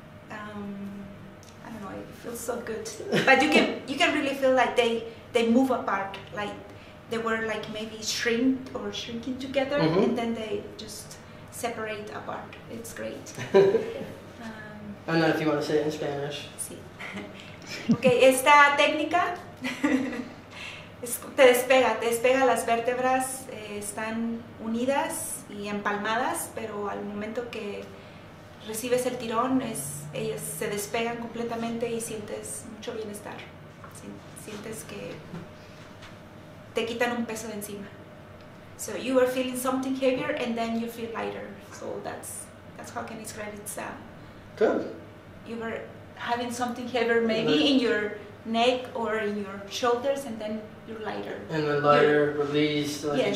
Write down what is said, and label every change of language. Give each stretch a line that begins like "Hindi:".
English: I don't know, it feels so good. But you can really feel like they move apart, like they were like maybe shrinking together, mm-hmm. And then they just separate apart. It's great. I don't know if you want to say it in Spanish.
Spanish: Sí. Okay, esta técnica... te despega las vértebras, están unidas y empalmadas, pero al momento que recibes el tirón, ellas se despegan completamente y sientes mucho bienestar. Sientes que te quitan un peso de encima.
English: So you are feeling something heavier and then you feel lighter. So that's how I can describe it. Good. You were having something heavier maybe in your neck or in your shoulders, and then you're lighter. And then lighter, release, like yes.